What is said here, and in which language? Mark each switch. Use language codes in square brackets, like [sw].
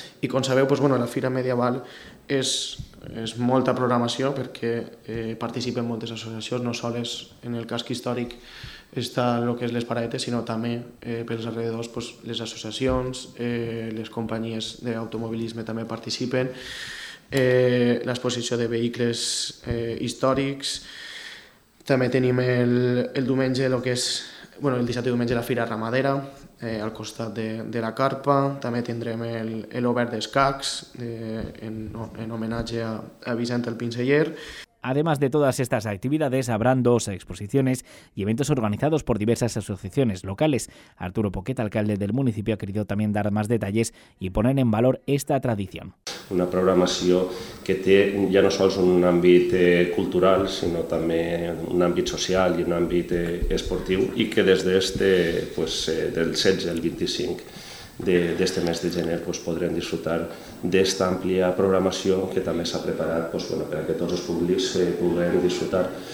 [ca] I com sabeu, pues, bueno, la fira medieval és molta programació perquè participen moltes associacions, no sols en el casc històric està el que és les paradetes, sinó també pels alrededors, pues, les associacions, les companyies d'automobilisme també participen, l'exposició de vehicles històrics, també tenim el diumenge, el que és, bueno, el dissabte diumenge, la Fira Ramadera, al costat de la carpa, també tindrem l'Obert d'Escacs, en homenatge a Vicent el Pinceller. [es] Además de todas estas actividades, habrán dos exposiciones y eventos organizados por diversas asociaciones locales. Arturo Poquet, alcalde del municipio, ha querido también dar más detalles y poner en valor esta tradición. [ca] Una programació que té ja no sols un àmbit cultural, sinó també un àmbit social i un àmbit esportiu, i que des d'este, pues, del 16 al 25 d'este mes de gener, pues, podrem disfrutar d'esta àmplia programació que també s'ha preparat, pues, bueno, perquè tots els públics puguem disfrutar.